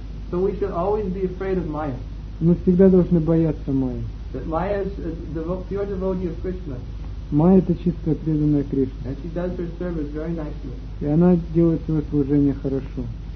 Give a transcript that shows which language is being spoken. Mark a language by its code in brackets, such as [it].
[en] So we should always be afraid of Maya. [ru] Мы всегда должны бояться Майи. [en] That Maya is the pure devotee of Krishna. [ru] Майя — это чистая преданная Кришна. [en] And she does her service very nicely. [ru] И она делает свое служение хорошо.